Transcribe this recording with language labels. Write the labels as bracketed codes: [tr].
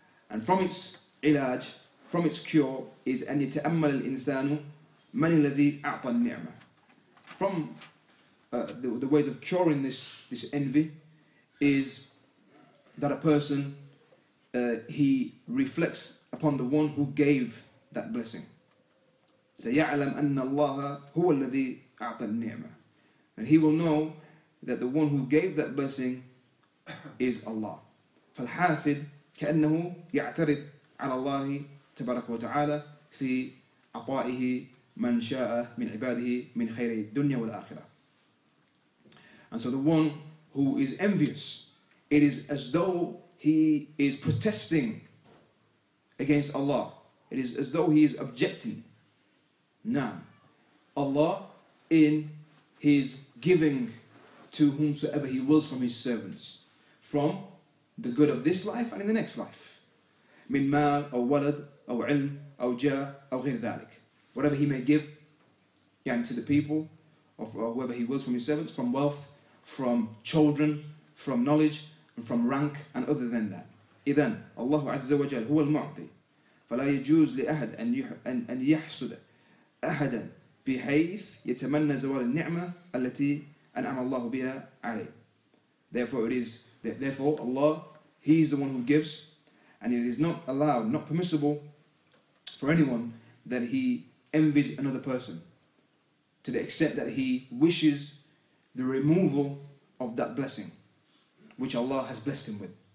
[en] And from its ilaj, from its cure, is [ar] أن يتأمل الإنسان من الذي أعطى النعمة. [en] From the ways of curing this envy is that a person, he reflects upon the one who gave that blessing. [ar] سيعلم أن الله هو الذي أعطى النعمة. [en] And he will know that the one who gave that blessing is Allah. [ar] فالحاسد كأنه يعترض على الله تبارك وتعالى في عطائه من شاء من عباده من خير الدنيا والآخرة. [en] And so the one who is envious, it is as though he is protesting against Allah. It is as though he is objecting. Naam. Allah in his giving to whomsoever he wills from his servants, from the good of this life and in the next life. [ar] من مال أو ولد أو علم أو جاء أو غير ذلك. [en] Whatever he may give يعني, to the people or whoever he wills from his servants, from wealth, from children, from knowledge, and from rank, and other than that. [ar] إذن الله عز وجل هو المعطي فلا يجوز لأحد أن يحسد أحدا بحيث يتمنى زوال النعمة التي أنعم الله بها عليه. [en] Therefore Allah, He is the one who gives, and it is not allowed, not permissible for anyone that he envies another person to the extent that he wishes the removal of that blessing which Allah has blessed him with.